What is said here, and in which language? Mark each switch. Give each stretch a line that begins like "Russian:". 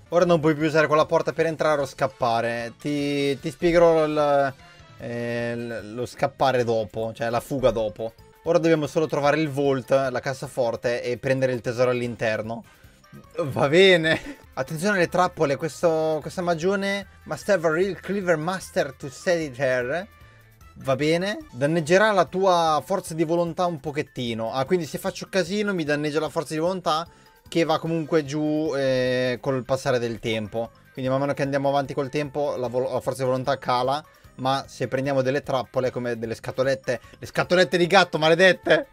Italian: Ora non puoi più usare quella porta per entrare o scappare. Ti spiegherò lo scappare dopo, cioè la fuga dopo. Ora dobbiamo solo trovare il vault, la cassaforte e prendere il tesoro all'interno. Va bene. Attenzione alle trappole. Questa magione.
English: Must have a real clever master to set it there.
Italian: Va bene. Danneggerà la tua forza di volontà un pochettino. Ah, quindi se faccio casino mi danneggia la forza di volontà. Che va comunque giù col passare del tempo. Quindi man mano che andiamo avanti col tempo la forza di volontà cala. Ma se prendiamo delle trappole come delle scatolette. Le scatolette di gatto maledette!